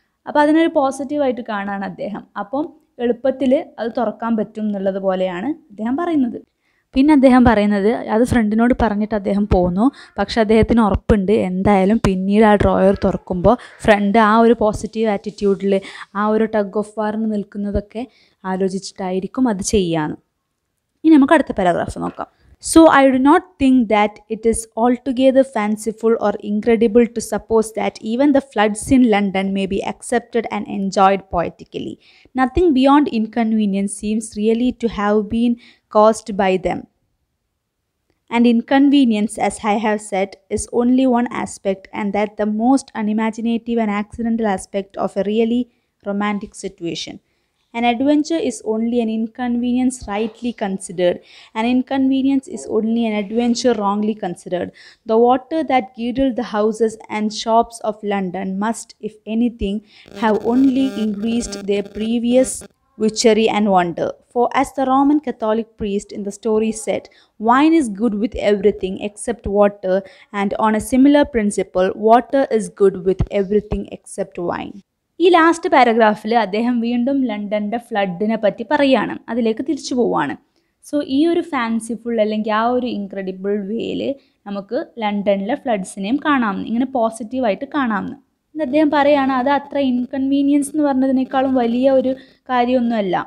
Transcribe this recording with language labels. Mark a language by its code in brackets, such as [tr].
[ml] അപ്പോൾ അതിനൊരു പോസിറ്റീവായിട്ട് കാണാണ് അദ്ദേഹം. അപ്പം എളുപ്പത്തിൽ അത് തുറക്കാൻ പറ്റും എന്നുള്ളത് പോലെയാണ് അദ്ദേഹം പറയുന്നത്. പിന്നെ അദ്ദേഹം പറയുന്നത്, അത് ഫ്രണ്ടിനോട് പറഞ്ഞിട്ട് അദ്ദേഹം പോന്നു, പക്ഷെ അദ്ദേഹത്തിന് ഉറപ്പുണ്ട് എന്തായാലും പിന്നീട് ആ ഡ്രോയർ തുറക്കുമ്പോൾ ഫ്രണ്ട് ആ ഒരു പോസിറ്റീവ് ആറ്റിറ്റ്യൂഡിൽ ആ ഒരു ടഗ് ഓഫ് വാറിന് നിൽക്കുന്നതൊക്കെ ആലോചിച്ചിട്ടായിരിക്കും അത് ചെയ്യാന്ന്. ഇനി നമുക്ക് അടുത്ത പാരഗ്രാഫ് നോക്കാം. [en] So I do not think that it is altogether fanciful or incredible to suppose that even the floods in London may be accepted and enjoyed poetically. Nothing beyond inconvenience seems really to have been caused by them. And inconvenience, as I have said, is only one aspect, and that the most unimaginative and accidental aspect of a really romantic situation. An adventure is only an inconvenience rightly considered. An inconvenience is only an adventure wrongly considered. The water that girdled the houses and shops of London must, if anything, have only increased their previous witchery and wonder. For as the Roman Catholic priest in the story said, wine is good with everything except water, and on a similar principle, water is good with everything except wine. [ml] ഈ last പാരഗ്രാഫിൽ അദ്ദേഹം വീണ്ടും ലണ്ടൻ്റെ ഫ്ലഡിനെ പറ്റി പറയുകയാണ്, അതിലേക്ക് തിരിച്ചു പോവുകയാണ്. So ഈ ഒരു ഫാൻസിഫുൾ അല്ലെങ്കിൽ ആ ഒരു ഇൻക്രെഡിബിൾ വേയിൽ നമുക്ക് ലണ്ടനിലെ ഫ്ലഡ്സിനെയും കാണാമെന്ന്, ഇങ്ങനെ പോസിറ്റീവായിട്ട് കാണാമെന്ന്. അദ്ദേഹം പറയുകയാണ് അത് അത്ര ഇൻകൺവീനിയൻസ് എന്ന് പറഞ്ഞതിനേക്കാളും വലിയ ഒരു കാര്യമൊന്നുമല്ല.